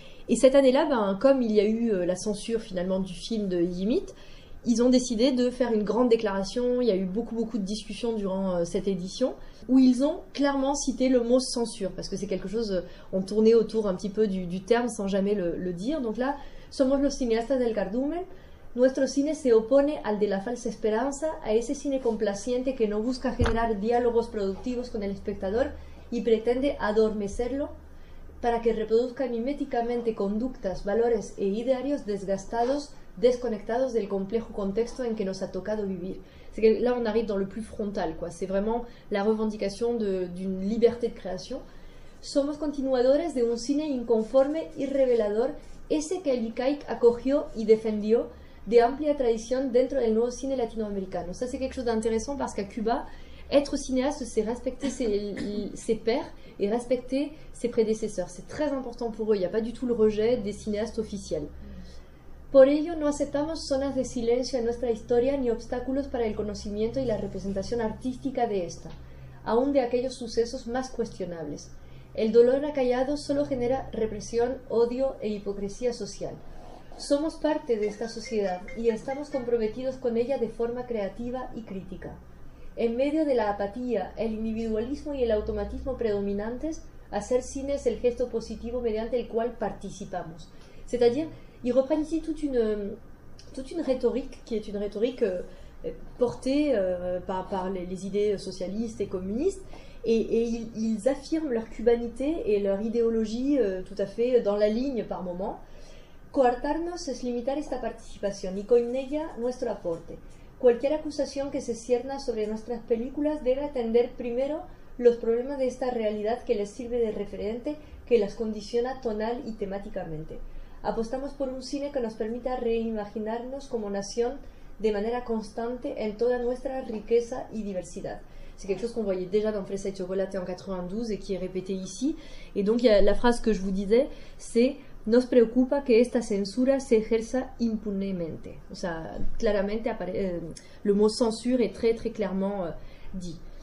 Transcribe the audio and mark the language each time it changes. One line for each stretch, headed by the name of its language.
French: Et cette année-là, comme il y a eu la censure finalement du film de Yimit, ils ont décidé de faire une grande déclaration. Il y a eu beaucoup, beaucoup de discussions durant cette édition où ils ont clairement cité le mot censure, parce que c'est quelque chose, on tournait autour un petit peu du terme sans jamais le dire. Donc là,
Spanish: somos los cineastas del cardumen. Nuestro cine se opone al de la falsa esperanza, a ese cine complaciente que no busca generar diálogos productivos con el espectador y pretende adormecerlo para que reproduzca miméticamente conductas, valores e idearios desgastados, desconectados del complejo contexto en que nos ha tocado vivir.
French: C'est que là, on arrive dans le plus frontal, quoi. C'est vraiment la revendication d'une liberté de création.
Spanish: Somos continuadores de un cine inconforme y revelador, ese que el ICAIC acogió y defendió de amplia tradición dentro del nuevo cine latinoamericano.
French: Ça, c'est quelque chose d'intéressant parce qu'à Cuba, être cinéaste, c'est respecter ses pairs et respecter ses prédécesseurs. C'est très important pour eux. Il n'y a pas du tout le rejet des cinéastes officiels.
Spanish: Por ello, no aceptamos zonas de silencio en nuestra historia ni obstáculos para el conocimiento y la representación artística de esta, aun de aquellos sucesos más cuestionables. El dolor acallado solo genera represión, odio e hipocresía social. Somos parte de esta sociedad y estamos comprometidos con ella de forma creativa y crítica. En medio de la apatía, el individualismo y el automatismo predominantes, hacer cine es el gesto positivo mediante el cual participamos.
French: C'est-à-dire, ils reprennent ici toute une rhétorique qui est une rhétorique portée par les idées socialistes et communistes, et ils affirment leur cubanité et leur idéologie tout à fait dans la ligne par moment.
Spanish: Coartarnos es limitar esta participación y con ella nuestro aporte. Cualquier acusación que se cierna sobre nuestras películas debe atender primero los problemas de esta realidad que les sirve de referente, que las condiciona tonal y temáticamente. Apostamos por un cine que nos permita reimaginarnos como nación de manera constante en toda nuestra riqueza y diversidad.
French: C'est quelque chose qu'on voyait déjà dans Fraise et Chocolaté en 92 et qui est répété ici. Et donc il y a la phrase que je vous disais, c'est «
Spanish: Nos preocupa que esta censura se ejerza impunemente ». O sea,
French: claramente, le mot « censure » est très très clairement dit.